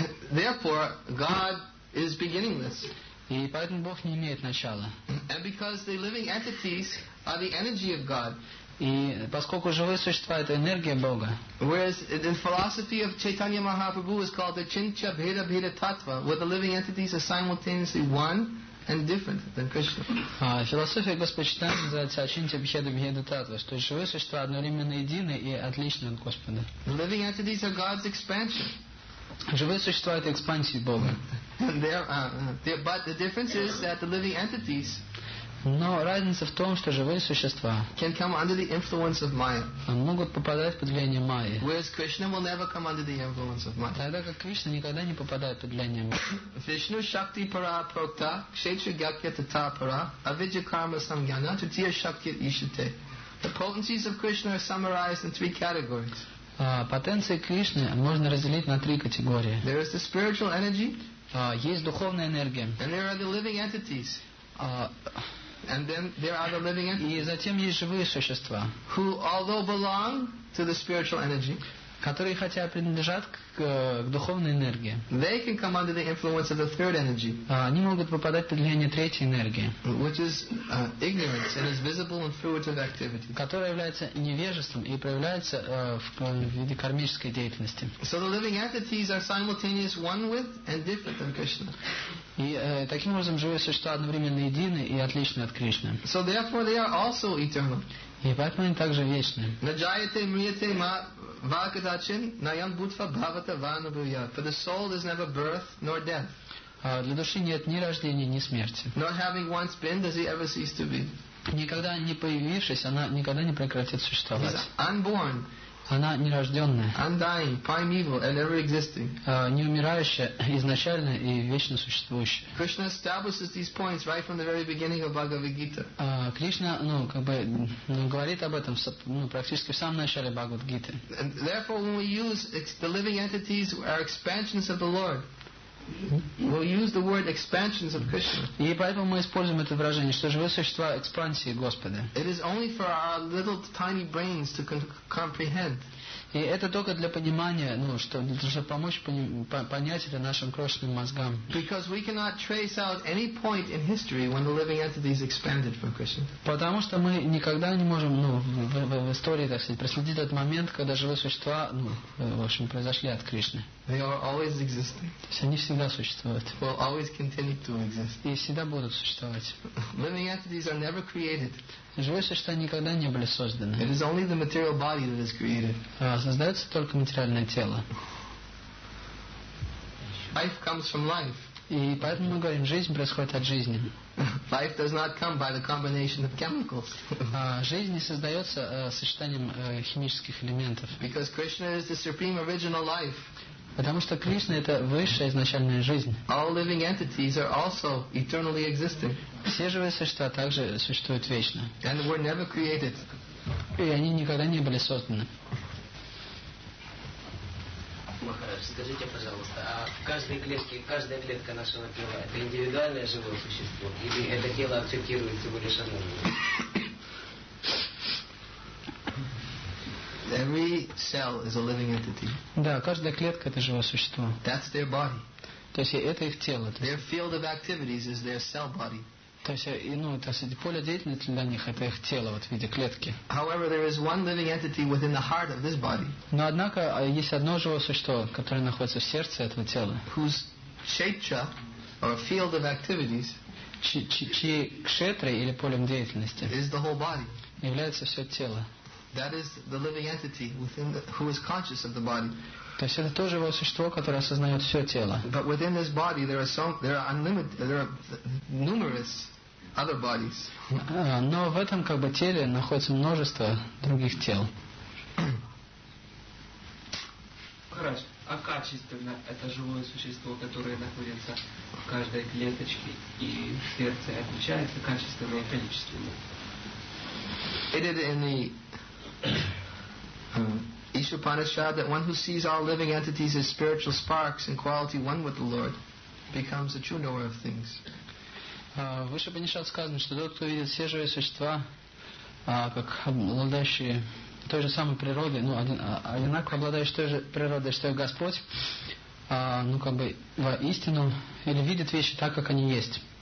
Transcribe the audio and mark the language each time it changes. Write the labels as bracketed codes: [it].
[en] Therefore, God is beginningless. [ru] И поэтому Бог не имеет начала. [en] And because the living entities are the energy of God. [ru] И поскольку живые существа это энергия Бога. [en] Whereas in philosophy of Chaitanya Mahaprabhu is called the Chincha Bheda Bheda Tattva, where the living entities are simultaneously one and different than Krishna. [ru] Философия Господа Чайтаньи называется Чинча Бхеда Бхеда Таттва, что живые существа одновременно едины и отличны от Господа. [en] Living entities are God's expansion. [ru] Живые существа это экспансия Бога. [en] But the difference is that the living entities. [ru] Но разница в том, что живые существа [en] can come under the influence of Maya. [ru] Могут попадать под влияние Майи. [en] Whereas Krishna will never come under the influence of Maya. [ru] Тогда как Кришна никогда не попадает под влияние Майи. [sa] Vishnu Shakti Para Prokta Kshetra Gyakya Tata Para Avidya Karma Samgyana Tutiya Shakti Ishite. [en] The potencies of Krishna are summarized in three categories. [ru] Потенции Кришны можно разделить на три категории. [en] There is the spiritual energy. [ru] Есть духовная энергия. [en] And there are the living entities. And then there are the living entities. [ru] И затем есть живые существа, [en] who although belong to the spiritual energy, [ru] которые хотя принадлежат к духовной энергии, [en] they can come under the influence of the third energy. [ru] Они могут попадать под влияние третьей энергии, [en] which is ignorance and is visible in fruitive activity, [ru] которая является невежеством и проявляется в виде кармической деятельности. [en] So the living entities are simultaneous one with and different than Krishna. [ru] И таким образом живые существа одновременно едины и отличны от Кришны. [en] So therefore they are also eternal. [ru] И поэтому они также вечны. [sa] Наджаяте мриете ма вакадачин наян бутва бхавата вану бхуя. [en] For the soul is never birth nor death. [ru] Для души нет ни рождения, ни смерти. [en] Nor having once been does he ever cease to be. [ru] Никогда не появившись, она никогда не прекратит существовать. [en] He's unborn. [ru] Она нерожденная. [en] Undying, primeval, and ever existing. [ru] Неумирающая, изначально и вечно существующая. [en] Krishna establishes these points right from the very beginning of Bhagavad Gita. [ru] Кришна, говорит об этом, практически в самом начале Бхагавад Гиты. [en] Therefore, when we use the living entities are expansions of the Lord. We'll use the word expansions of Krishna. [ru] И поэтому мы используем это выражение, что живые существа экспансии Господа. [en] It is only for our little tiny brains to comprehend. [ru] И это только для понимания, чтобы помочь понять это нашим крошечным мозгам. [en] Because we cannot trace out any point in history when the living entities expanded from Krishna. [ru] Потому что мы никогда не можем, в истории, так сказать, проследить этот момент, когда живые существа, произошли от Кришны. [en] They are always existing. [ru] То есть они всегда существуют. [en] Will always continue to exist. [ru] И всегда будут существовать. [en] Living entities are never created. [ru] Живые существа никогда не были созданы. [en] It is only the material body that is created. [ru] Создается только материальное тело. [en] Life comes from life. [ru] И поэтому мы говорим, жизнь происходит от жизни. [en] Life does not come by the combination of chemicals. [ru] Жизнь не создается сочетанием химических элементов. [en] Because Krishna is the supreme original life. [ru] Потому что Кришна — это высшая изначальная жизнь. [en] All living entities are also eternally existing. [ru] Все живые существа также существуют вечно. [en] And were never created. [ru] И они никогда не были созданы. Скажите, пожалуйста, а в каждой клетке, каждая клетка нашего тела — это индивидуальное живое существо, или это тело акцептирует всего лишь одно? [en] Every cell is a living entity. [ru] Да, каждая клетка — это живое существо. [en] That's their body. [ru] То есть это их тело. [en] Their field of activities is their cell body. [ru] То есть, ну, то есть поле деятельности для них — это их тело, вот, в виде клетки. [en] However, there is one living entity within the heart of this body. [ru] Но однако есть одно живое существо, которое находится в сердце этого тела. [en] Whose kshetra, or field of activities, [ru] чьи кшетры или полем деятельности [en] is the whole body. [ru] Является все тело. [en] That is the living entity within the, who is conscious of the body. [ru] То есть это то живое существо, которое осознает все тело. [en] But within this body there are some, there are unlimited, there are numerous other bodies. [ru] Но в этом, как бы, теле находится множество других тел. Хорошо. А качественно это живое существо, которое находится в каждой клеточке и в сердце, отличается качественно и количественно? [en] It is in the Ishupanishad that one who sees all living entities as spiritual sparks in quality one with the Lord becomes a true knower of things. [ru] В Ишупанишаде сказано, что тот, кто видит все живые существа как обладающие той же самой природой, ну, одинаково обладающие той же природой, что и Господь, ну, как бы, воистину, или видит вещи так, как они есть.